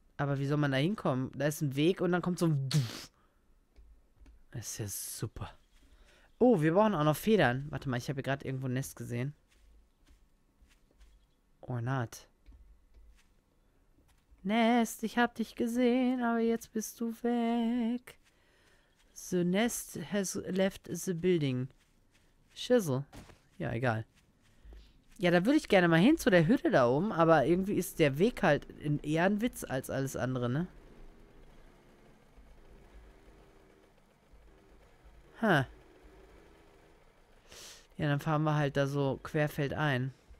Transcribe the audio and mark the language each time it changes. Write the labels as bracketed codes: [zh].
[de] Aber wie soll man da hinkommen? Da ist ein Weg und dann kommt so ein. Das ist ja super. Oh, wir brauchen auch noch Federn. Warte mal, ich habe hier gerade irgendwo ein Nest gesehen. Ornat. Nest, ich hab dich gesehen, aber jetzt bist du weg. [en] The Nest has left the building. [de] Schissel. Ja, egal. Ja, da würde ich gerne mal hin zu der Hütte da oben, aber irgendwie ist der Weg halt eher ein Witz als alles andere, ne? Ha. Huh. Ja, dann fahren wir halt da so querfeld ein.